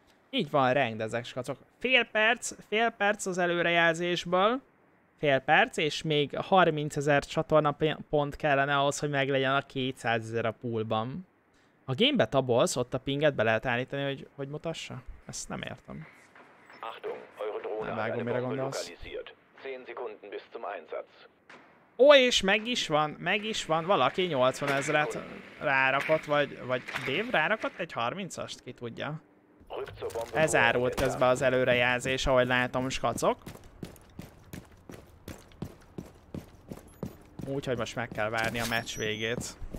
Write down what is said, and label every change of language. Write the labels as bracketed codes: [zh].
[hu] Így van, rendezek, skacok. Fél perc az előrejelzésből. Fél perc, és még 30 ezer csatorna pont kellene ahhoz, hogy meglegyen a 200 ezer a poolban. Ha gamebe tabolsz, ott a pinget be lehet állítani, hogy, hogy mutassa? Ezt nem értem. [de] Achtung, eure Drohne hat eine Bombe lokalisiert. 10 Sekunden bis zum Einsatz. [hu] Ó, és meg is van, meg is van. Valaki 80 ezeret rárakott, vagy, vagy Dave rárakott egy 30-ast, ki tudja. Ez árult közben az előrejelzés, ahogy látom, skacok. Úgyhogy most meg kell várni a meccs végét.